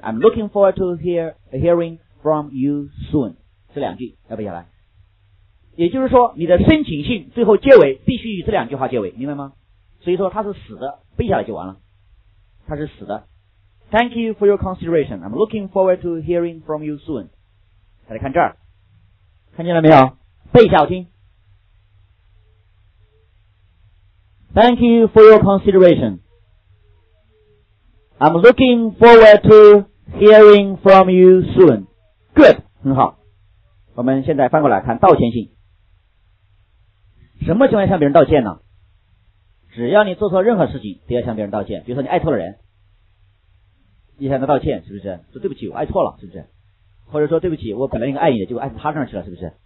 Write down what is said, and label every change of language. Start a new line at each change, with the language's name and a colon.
English: I'm looking forward to hearing from you soon.
Chinese: 这两句要背下来。也就是说，你的申请信最后结尾必须以这两句话结尾，明白吗？所以说它是死的，背下来就完了。它是死的。
English: Thank you for your consideration. I'm looking forward to hearing from you soon.
Chinese: 大家看这儿，看见了没有？背下我听。
English: Thank you for your consideration. I'm looking forward to hearing from you soon.
Chinese: Good, 很好。我们现在翻过来看道歉信。什么情况向别人道歉呢？只要你做错任何事情，都要向别人道歉。比如说你爱错了人，你向他道歉，是不是？说对不起，我爱错了，是不是？或者说对不起，我本来应该爱你的，结果爱他上去了，是不是？